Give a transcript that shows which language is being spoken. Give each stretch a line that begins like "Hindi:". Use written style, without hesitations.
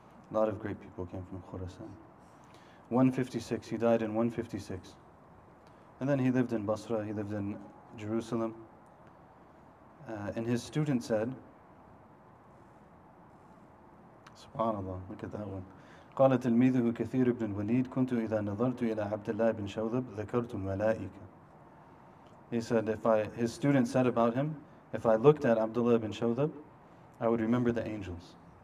English: A lot of great people came from Khurasan. 156, he died in 156. And then he lived in Basra, he lived in Jerusalem. And his student said, SubhanAllah, look at that one.
Arabic: قال تلميذه كثير بن الوليد كنت إذا نظرت إلى عبد الله بن شوذب ذكرت ملائكة.
English: He said, his student said about him, if I looked at Abdullah bin Shawdab, I would remember the angels.